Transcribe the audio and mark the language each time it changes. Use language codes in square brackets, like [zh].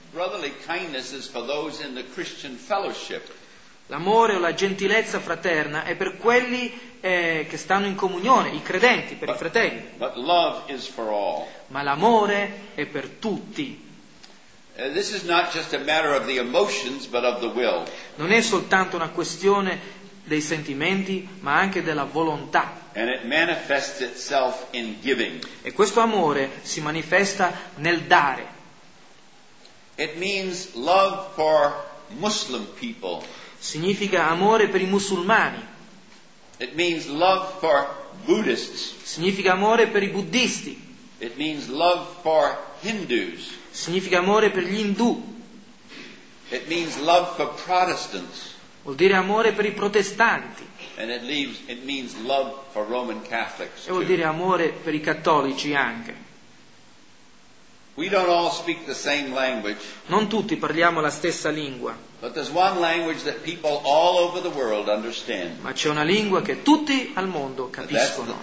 [en] Brotherly kindness is for those in the Christian fellowship. [it] L'amore o la gentilezza fraterna è per quelli che stanno in comunione, i credenti, per i fratelli. [en] But love is for all. [it] Ma l'amore è per tutti. [en] This is not just a matter of the emotions, but of the will. [it] Non è soltanto una questione dei sentimenti, ma anche della volontà. [en] And it manifests itself in giving. [it] E questo amore si manifesta nel dare. [en] It means love for Muslim people. [it] Significa amore per i musulmani. [en] It means love for Buddhists. [it] Significa amore per i buddhisti. [en] It means love for Hindus. [it] Significa amore per gli indù. [en] It means love for Protestants. [it] Vuol dire amore per i protestanti. [en] And it means love for Roman Catholics. [it] E vuol dire amore per i cattolici anche. [en] We don't all speak the same language. [it] Non tutti parliamo la stessa lingua. [en] But there's one language that people all over the world understand. [it] Ma c'è una lingua che tutti al mondo capiscono.